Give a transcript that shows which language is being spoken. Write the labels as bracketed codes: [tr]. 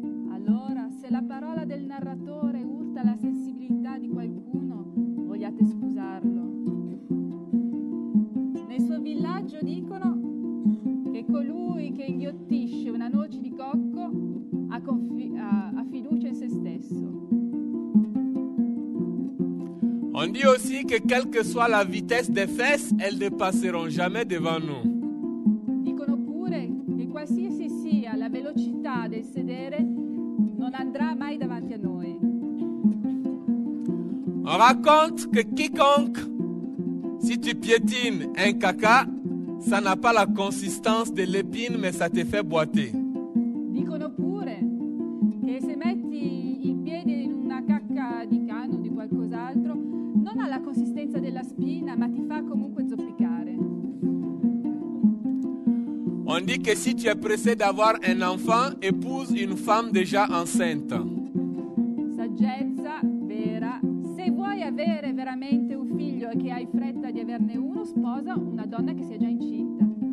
[it] Allora, se la parola del narratore urta la sensibilità di qualcuno, vogliate scusarlo. Nel suo villaggio dicono che colui che inghiottisce una noce di cocco ha fiducia in se stesso. [fr] On dit aussi que quelle que soit la vitesse des fesses, elles ne passeront jamais devant nous. [it] Dicono pure che qualsiasi sia la velocità del sedere non andrà mai davanti a noi. [fr] On raconte que quiconque, si tu piétines un caca, ça n'a pas la consistance de l'épine, mais ça te fait boiter. [it] Dicono pure che se metti il piede in una cacca di cane o di qualcos'altro, non ha la consistenza della spina, ma ti fa comunque zoppicare. [fr] On dit que si tu es pressé d'avoir un enfant, épouse une femme déjà enceinte. [it] Saggezza vera. Se vuoi avere veramente un figlio e che hai fretta di averne uno, sposa una donna che sia già incinta.